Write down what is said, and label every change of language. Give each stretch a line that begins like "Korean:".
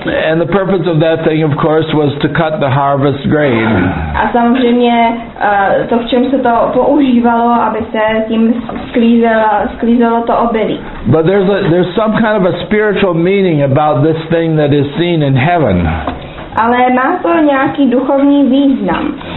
English: And the purpose of that thing, of course, was to cut the harvest grain.
Czech: A samozřejmě to, v čem se to používalo, aby se tím sklízelo to obilí.
English: But there's some kind of a spiritual meaning about this thing that is seen in heaven.
Czech: Ale má to nějaký duchovní význam.